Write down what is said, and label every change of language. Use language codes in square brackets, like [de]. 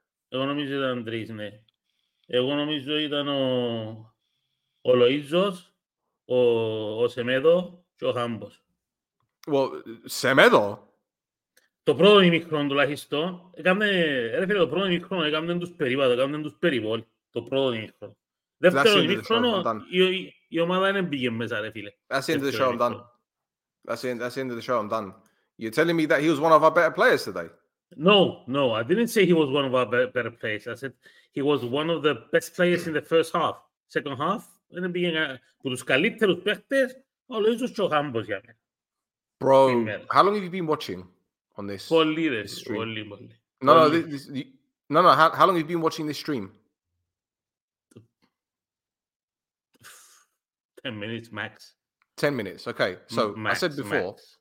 [el] Εγώ νομίζω ήταν τρεις, ναι. Εγώ νομίζω ήταν ο Λοΐζος, ο Σεμέδο και ο Χάμπος. [en] Well, Σεμέδο? [el] Το πρώτο ημίχρονο τουλάχιστον, έκαμε τους περίβατο, έκαμε τους περιβόλοι, το πρώτο ημίχρονο. Δεύτερο ημίχρονο, η ομάδα δεν πήγε μέσα, ρε φίλε. [en] That's the end of the show, I'm done. That's the end of the show, I'm done. You're telling me that he was one of our better players today? No, I didn't say he was one of our better players. I said he was one of the best players in the first half. Second half, and being the [el] καλύτερους παίκτες, [en] always just [el] ο Χάμπος για μένα. [en] Bro, how long have you been watching on this? [el] Πολύ. [en] No. How long have you been watching this stream? 10 minutes max. 10 minutes, okay. So, max, I said before, max.